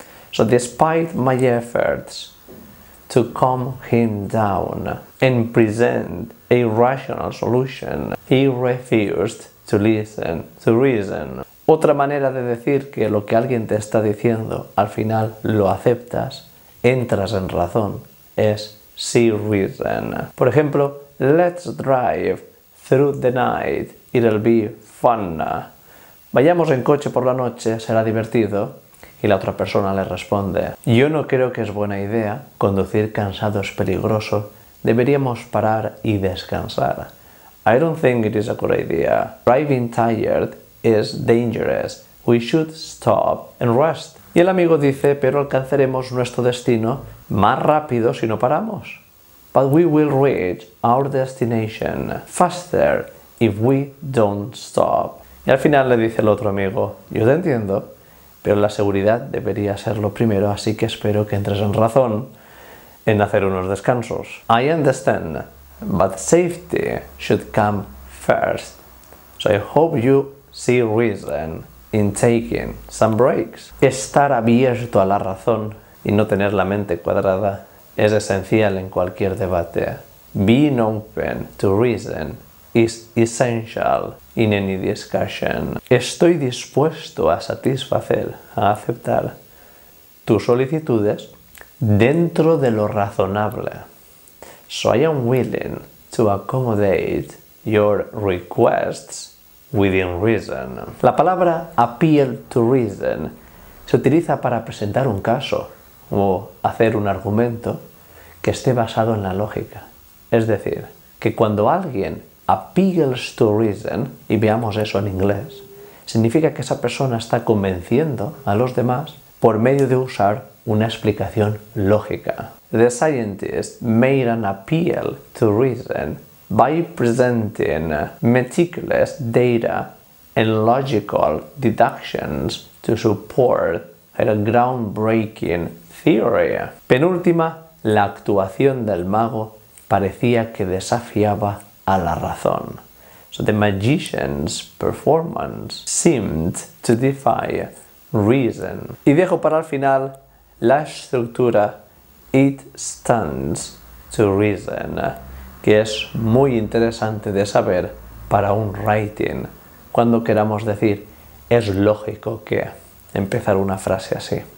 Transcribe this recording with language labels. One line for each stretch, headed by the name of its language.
English: So despite my efforts to calm him down and present a rational solution, he refused to listen to reason.
Spanish: Otra manera de decir que lo que alguien te está diciendo, al final lo aceptas, entras en razón, es
English: see reason.
Spanish: Por ejemplo,
English: let's drive through the night, it'll be fun.
Spanish: Vayamos en coche por la noche, será divertido. Y la otra persona le responde, yo no creo que es buena idea, conducir cansado es peligroso, deberíamos parar y descansar.
English: I don't think it is a good idea. Driving tired is dangerous, we should stop and rest.
Spanish: Y el amigo dice, pero alcanzaremos nuestro destino más rápido si no paramos.
English: But we will reach our destination faster if we don't stop.
Spanish: Y al final le dice el otro amigo, yo te entiendo. pero la seguridad debería ser lo primero, así que espero que entres en razón en hacer unos descansos.
English: I understand, but safety should come first. So I hope you see reason in taking some breaks.
Spanish: Estar abierto a la razón y no tener la mente cuadrada es esencial en cualquier debate.
English: Being open to reason is essential in any discussion.
Spanish: Estoy dispuesto a satisfacer, a aceptar tus solicitudes dentro de lo razonable.
English: So I am willing to accommodate your requests within reason.
Spanish: La palabra
English: appeal to reason
Spanish: se utiliza para presentar un caso o hacer un argumento que esté basado en la lógica. Es decir, que cuando alguien
English: appeals to reason,
Spanish: y veamos eso en inglés, significa que esa persona está convenciendo a los demás por medio de usar una explicación lógica.
English: The scientist made an appeal to reason by presenting meticulous data and logical deductions to support her groundbreaking theory.
Spanish: Penúltima, la actuación del mago parecía que desafiaba a la razón.
English: So the magician's performance seemed to defy reason.
Spanish: Y dejo para el final la estructura
English: it stands to reason,
Spanish: que es muy interesante de saber para un writing, cuando queramos decir es lógico que empezar una frase así.